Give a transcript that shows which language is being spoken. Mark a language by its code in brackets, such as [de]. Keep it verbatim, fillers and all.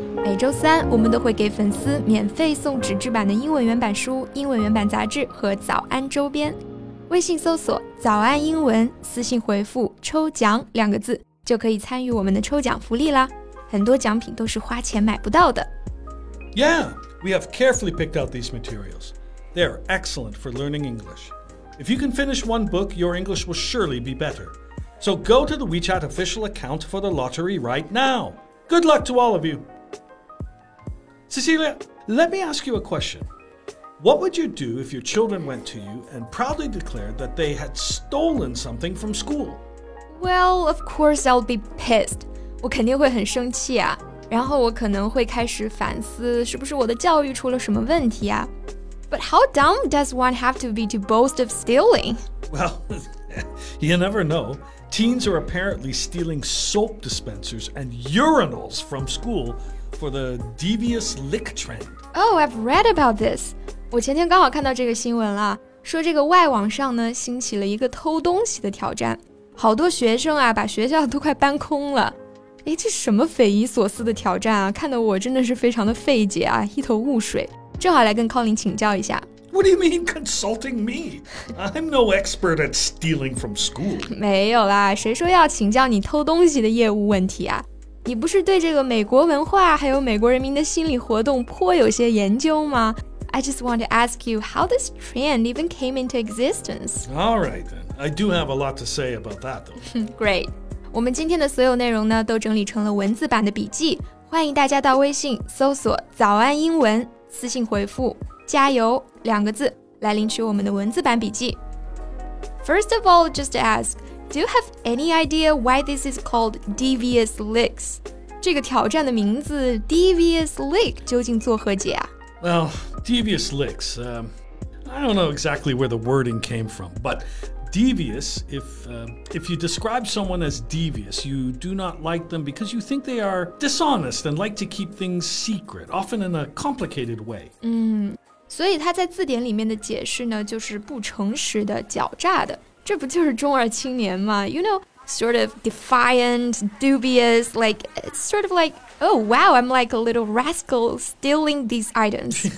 [zh] 每周三，我们都会给粉丝免费送纸质版的英文原版书、英文原版杂志和早安周边。微信搜索“早安英文”，私信回复“抽奖”两个字，就可以参与我们的抽奖福利啦。很多奖品都是花钱买不到的。 [en] Yeah, we have carefully picked out these materials. They are excellent for learning English. If you can finish one book, your English will surely be better. So go to the WeChat official account for the lottery right now. Good luck to all of you. Cecilia, let me ask you a question. What would you do if your children went to you and proudly declared that they had stolen something from school? Well, of course I'll be pissed. [zh] 我肯定会很生气啊，然后我可能会开始反思，是不是我的教育出了什么问题啊？ [en] But how dumb does one have to be to boast of stealing? Well, you never know. Teens are apparently stealing soap dispensers and urinals from school for the devious lick trend. Oh, I've read about this. [zh] 我前天刚好看到这个新闻了，说这个外网上呢兴起了一个偷东西的挑战，好多学生啊把学校都快搬空了。诶，这什么匪夷所思的挑战啊，看得我真的是非常的费解啊，一头雾水。正好来跟 Colin 请教一下。 [en] What do you mean consulting me? I'm no expert at stealing from school. [zh] 没有啦，谁说要请教你偷东西的业务问题啊？你不是对这个美国文化还有美国人民的心理活动颇有些研究吗？ [en] I just want to ask you how this trend even came into existence. All right then. I do have a lot to say about that though. Great. [zh] 我们今天的所有内容呢，都整理成了文字版的笔记，欢迎大家到微信搜索早安英文。私信回复加油两个字来领取我们的文字版笔记。 [en] First of all, just to ask, do you have any idea why this is called devious licks? [zh] 这个挑战的名字 devious lick 究竟作何解啊？ [en] Well, devious licks, um, I don't know exactly where the wording came from, but devious, if, uh, if you describe someone as devious, you do not like them because you think they are dishonest and like to keep things secret, often in a complicated way. [zh] 嗯，所以它在字典里面的解释呢，就是不诚实的、狡诈的。这不就是中二青年吗？ [en] You know, sort of defiant, dubious, like, it's sort of like, oh wow, I'm like a little rascal stealing these items.